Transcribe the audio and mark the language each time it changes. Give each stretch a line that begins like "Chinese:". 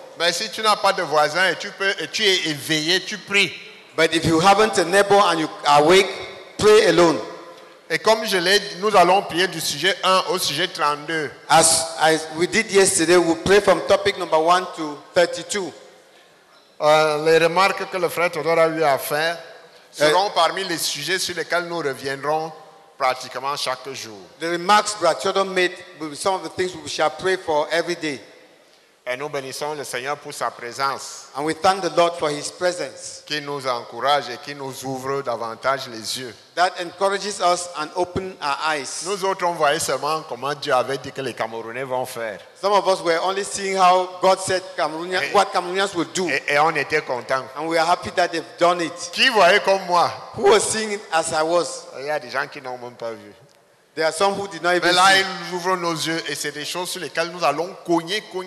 French: Mais si tu n'as pas de voisin et tu es éveillé, tu pries.
English: But if you haven't a neighbor and you are awake, pray alone.
French: Et comme je l'ai dit, nous allons prier du sujet 1 au sujet 32.
English: As we did yesterday, we pray from topic number 1 to 32.
French: Les remarques que le frère Todor a eu à faire seront parmi les sujets sur lesquels nous reviendrons pratiquement chaque jour.
English: The remarks that you don't made will be some of the things we shall pray for every day.
French: Et nous bénissons le Seigneur pour sa présence.
English: And we thank the Lord for his presence.
French: Qui nous encourage et qui nous ouvre davantage les yeux.
English: That encourages us and open our eyes.
French: Nous autres, on voyait seulement comment Dieu avait dit que les Camerounais vont faire.
English: Some of us were only seeing how God said what Cameroonians would do.
French: Et on était contents.
English: And we are happy that they've done it.
French: Qui voyait comme moi?
English: Who was seeing it as I was?
French: Il y a des gens qui n'ont même pas vu.
English: There are some who did not even
French: Mais là, il ouvre nos yeux et c'est des choses sur lesquelles nous allons cogner.